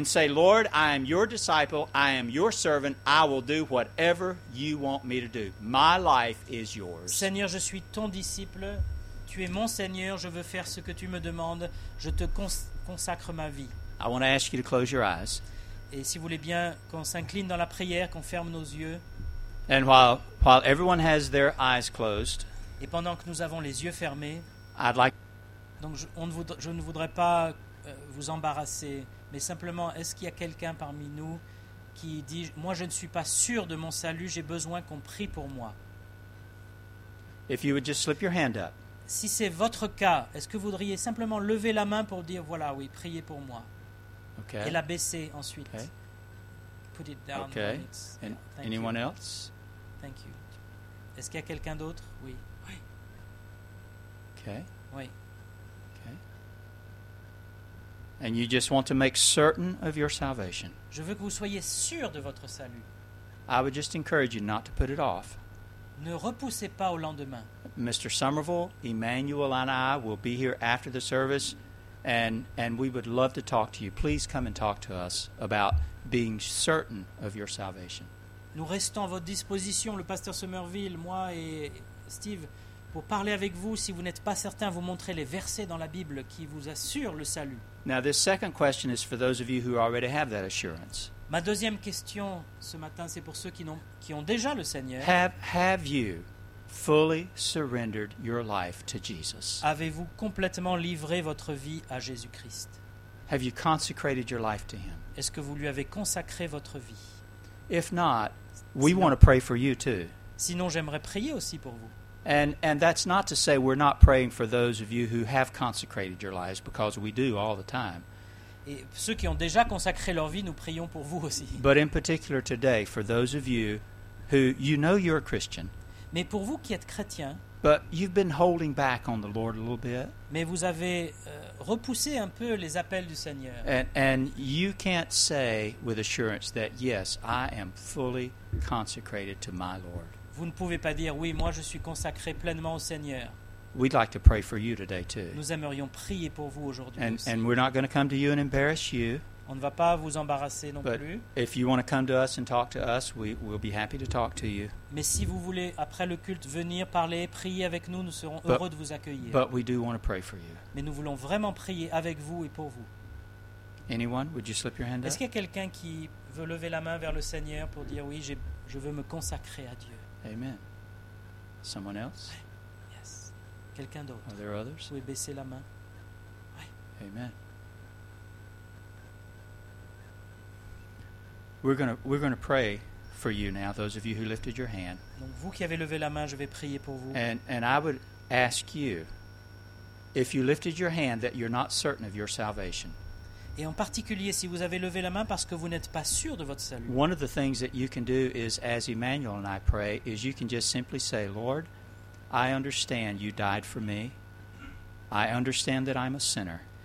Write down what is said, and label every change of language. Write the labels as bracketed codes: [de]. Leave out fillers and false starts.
[en] And say, Lord, I am your disciple, I am your servant, I will do whatever you want me to do. My life is yours. [fr] Seigneur, je suis ton disciple, tu es mon Seigneur, je veux faire ce que tu me demandes, je te consacre ma vie. [en] I want to ask you to close your eyes. [fr] Et si vous voulez bien qu'on s'incline dans la prière, qu'on ferme nos yeux. [en] And while everyone has their eyes closed, [fr] et pendant que nous avons les yeux fermés, [en] I'd like, [fr] donc je ne voudrais pas vous embarrasser, mais simplement, est-ce qu'il y a quelqu'un parmi nous qui dit, moi je ne suis pas sûr de mon salut, j'ai besoin qu'on prie pour moi. [en] If you would just slip your hand up. [fr] Si c'est votre cas, est-ce que vous voudriez simplement lever la main pour dire, voilà, oui, priez pour moi. [en] Okay. [fr] Et la baisser ensuite. [en] Okay. Put it down. Okay. Anyone else? Thank you. [fr] Est-ce qu'il y a quelqu'un d'autre? Oui. Oui. [en] Okay. [fr] Oui. [en] Okay. And you just want to make certain of your salvation. [fr] Je veux que vous soyez sûr de votre salut. [en] I would just encourage you not to put it off. [fr] Ne repoussez pas au lendemain. [en] Mr. Somerville, Emmanuel and I will be here after the service, and we would love to talk to you. Please come and talk to us about being certain of your salvation. [fr] Nous restons à votre disposition, le pasteur Somerville, moi et Steve, pour parler avec vous. Si vous n'êtes pas certain, vous montrer les versets dans la Bible qui vous assurent le salut. [en] Now, this second question is for those of you who already have that assurance. [fr] Ma deuxième question ce matin, c'est pour ceux qui ont déjà le Seigneur. [en] Have you fully surrendered your life to Jesus? [fr] Avez-vous complètement livré votre vie à Jésus-Christ? [en] Have you consecrated your life to him? [fr] Est-ce que vous lui avez consacré votre vie? [en] If not, we want to pray for you too. [fr] Sinon, j'aimerais prier aussi pour vous. [en] And that's not to say we're not praying for those of you who have consecrated your lives, because we do all the time. [fr] Et ceux qui ont déjà consacré leur vie, nous prions pour vous aussi. [en] But in particular today, for those of you who you know you're a Christian. [fr] Mais pour vous qui êtes chrétien. [en] But you've been holding back on the Lord a little bit. [fr] Mais vous avez repoussé un peu les appels du Seigneur. [en] And you can't say with assurance that yes, I am fully consecrated to my Lord. [fr] Vous ne pouvez pas dire oui, moi je suis consacré pleinement au Seigneur. [en] We'd like to pray for you today too. [fr] Nous aimerions prier pour vous aujourd'hui. [en] And we're not going to come to you and embarrass you. [fr] On ne va pas vous embarrasser non [en] but [fr] plus. [en] If you want to come to us and talk to us, we'll be happy to talk to you. [fr] Mais si vous voulez après le culte venir parler, prier avec nous, nous serons heureux de vous accueillir. [en] But we do want to pray for you. [fr] Mais nous voulons vraiment prier avec vous et pour vous. [en] Anyone, would you slip your hand up? [fr] Est-ce qu'il y a quelqu'un qui veut lever la main vers le Seigneur pour dire oui, je veux me consacrer à Dieu? [en] Amen. Someone else? [fr] Quelqu'un d'autre. [en] Are there others? [fr] Vous pouvez baisser la main. Oui. [en] Amen. We're gonna pray for you now, those of you who lifted your hand. [fr] Donc vous qui avez levé la main, je vais prier pour vous. [en] And I would ask you, if you lifted your hand, that you're not certain of your salvation. [fr] Et en particulier, si vous avez levé la main parce que vous n'êtes pas sûr de votre salut. [en] One of the things that you can do is, as Emmanuel and I pray, is you can just simply say, Lord, I understand you died for me. I understand that I'm a sinner.